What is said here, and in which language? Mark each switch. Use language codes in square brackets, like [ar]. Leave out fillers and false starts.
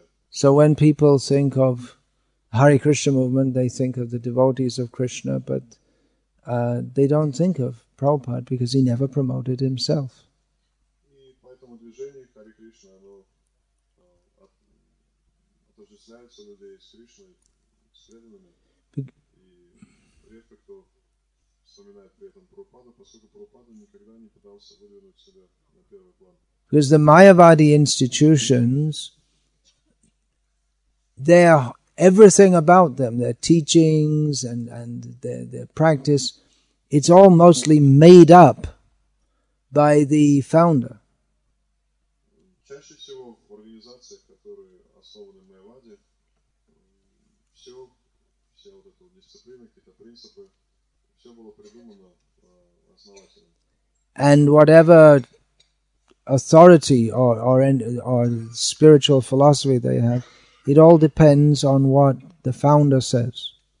[en] So when people think of Hare Krishna movement, they think of the devotees of Krishna, but they don't think of Prabhupada because he never promoted himself. [ru] Движение Харе Кришна, оно касаются людей с Кришной, с преданными. И редко кто вспоминает при этом Прабхупаду, поскольку Прабхупада никогда не пытался выдвинуть себя на первый план. [en] Because the Mayavadi institutions, they are everything about them, their teachings and their practice, it's all mostly made up by the founder. [ru] Чаще всего в организациях, которые основаны в Майаваде, все вот эти дисциплины, какие-то принципы, все было придумано основателем. [en] And whatever authority or spiritual philosophy they have, it all depends on what the founder says.